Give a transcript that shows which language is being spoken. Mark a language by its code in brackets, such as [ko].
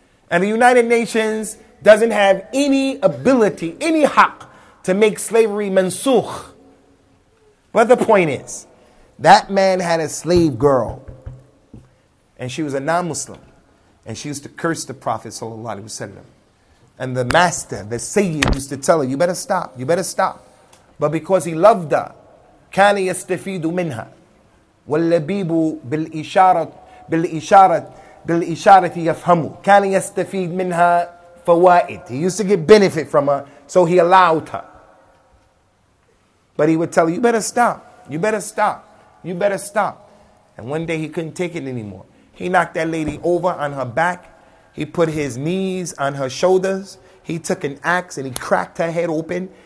[en] And the United Nations doesn't have any ability, any haq, to make slavery mansukh. But the point is, that man had a slave girl. And she was a non-Muslim. And she used to curse the Prophet sallallahu alaihi wasallam. And the master, the Sayyid, used to tell her, you better stop. But because he loved her, [ar] كان يستفيد منها واللبيب بالإشارة يفهم كان يستفيد منها فوائد. [en] He used to get benefit from her, so he allowed her. But he would tell her, you better stop. And one day he couldn't take it anymore. He knocked that lady over on her back. He put his knees on her shoulders. He took an axe and he cracked her head open.